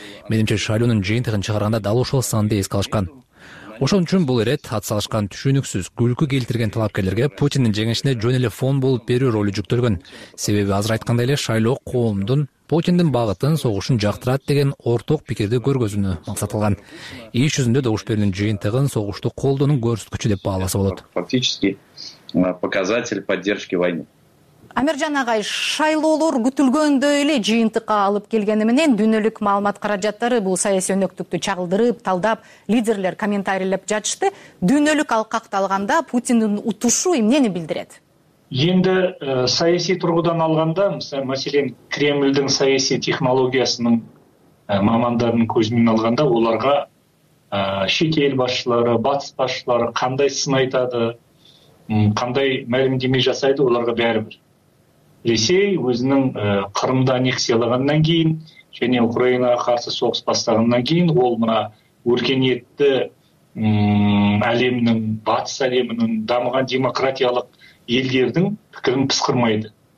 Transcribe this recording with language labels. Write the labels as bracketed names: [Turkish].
[Kyrgyz] Менимче, шайлоонун жыйынтыгын чыгарганда дал ошол санды эске алышкан. Ошон үчүн бул ирет атсалышкан түшүнүксүз күлкү келтирген талапкерлерге Путиндин жеңишине жөн эле фон болуп берүү ролу жүктөлгөн. Себеби азыр айткандай эле шайлоо коомдун Путиндин багытын согушун жактырат деген ортоок пикирди көргөзүүнү максатталган. Иш жүзүндө добуш берүүнүн жыйынтыгын согушту колдоонун көрсөткүчү деп бааласа болот. [Russian] Фактически показатель поддержки войны. [Kyrgyz] Амиржан агай, шайлоолор күтүлгөндөй эле жыйынтыкка алып келгени менен дүйнөлүк маалымат каражаттары бул саясий өнөктүктү чагылдырып, талдап, лидерлер комментарийлеп жатышты. Дүйнөлүк алкакты алганда Путиндин утушу эмнени билдирет? Энди саясий тургудан алганда, маселен, Кремлдин саясий технологиясынын мамандарынын көзүнөн алганда, аларга чет эл башчылары, батыс башчылары кандай сын айтады, кандай мәлимдеме жасайды, аларга баарыбир. [Kazakh] Ресей өзінің Қырымды аннексиялағаннан кейін және Украинаға қарсы соғыс бастағаннан кейін ол мына өркениетті әлемнің, батыс әлемінің, дамыған демократиялық елдердің пікірін пысқырмайды.